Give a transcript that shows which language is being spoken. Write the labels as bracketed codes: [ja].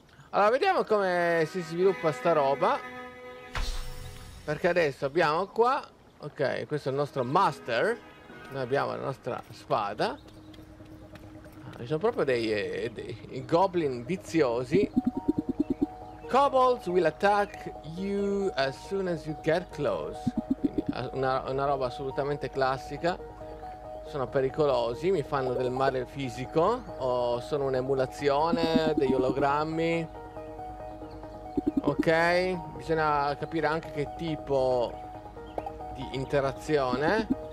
[it] Allora, vediamo come si sviluppa sta roba, perché adesso abbiamo qua. Ok, questo è il nostro master. Noi abbiamo la nostra spada. Ci sono proprio dei goblin viziosi. [en] Kobolds will attack you as soon as you get close. [it] Quindi una roba assolutamente classica. Sono pericolosi, mi fanno del male fisico. O sono un'emulazione, degli ologrammi. Ok, bisogna capire anche che tipo di interazione.